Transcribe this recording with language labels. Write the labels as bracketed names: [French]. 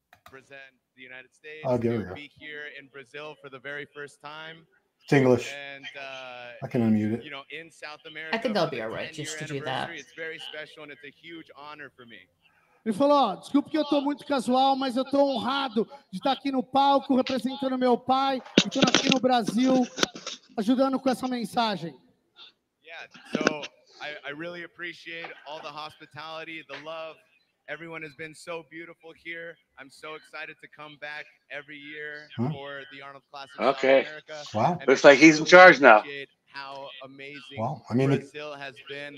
[English] Present the United States. Oh, there we go. Be here in Brazil for the very first time. It's English. And I can unmute it. You know, in South America. I think they'll be all right just to do that. It's very special and it's a huge honor for me. [Portuguese] Ele falou, desculpe que eu estou muito casual, mas eu estou honrado de estar aqui no palco representando meu pai e estar aqui no Brasil ajudando com essa mensagem. [English] Yeah, so I really appreciate all the hospitality, the love. Everyone has been so beautiful here. I'm so excited to come back every year for the Arnold Classic in America. Wow. Looks like he's in charge now. How amazing Brazil has been.